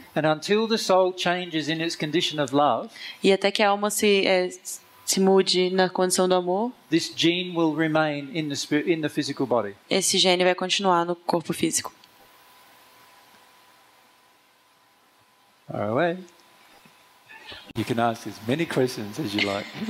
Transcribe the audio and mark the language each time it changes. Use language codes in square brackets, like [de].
[en] And until the soul changes in its condition of love, [pt] e até que a alma se mude na condição do amor, [en] this gene will remain in the physical body. [pt] Esse gene vai continuar no corpo físico. [en] All right. You can ask as many questions as you like.